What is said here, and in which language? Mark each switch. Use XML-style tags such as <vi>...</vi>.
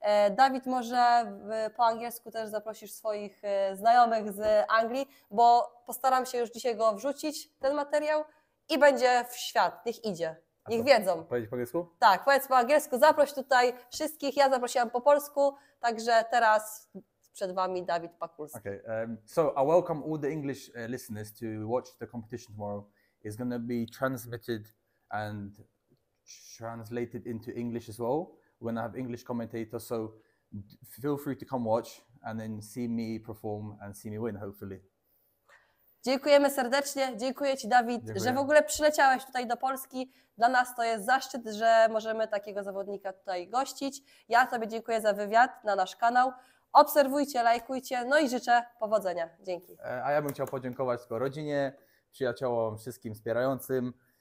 <pl>Dawid, może po angielsku też zaprosisz swoich znajomych z Anglii, bo postaram się już dzisiaj go wrzucić, ten materiał, i będzie w świat, niech idzie. Niech wiedzą. Powiedz po angielsku? Tak, powiedz po angielsku, zaproś tutaj wszystkich. Ja zaprosiłam po polsku, także teraz przed Wami Dawid Pakulski.</pl> <en>Okay, so I welcome all the English listeners to watch the competition tomorrow. It's going to be transmitted and translated into English as well. We're going to have English commentators, so feel free to come watch and then see me perform and see me win, hopefully.</en> <pl>Dziękujemy serdecznie, dziękuję Ci Dawid, dziękuję, że w ogóle przyleciałeś tutaj do Polski. Dla nas to jest zaszczyt, że możemy takiego zawodnika tutaj gościć. Ja sobie dziękuję za wywiad na nasz kanał. Obserwujcie, lajkujcie, no i życzę powodzenia. Dzięki. A ja bym chciał podziękować tylko rodzinie, przyjaciołom, wszystkim wspierającym.</pl>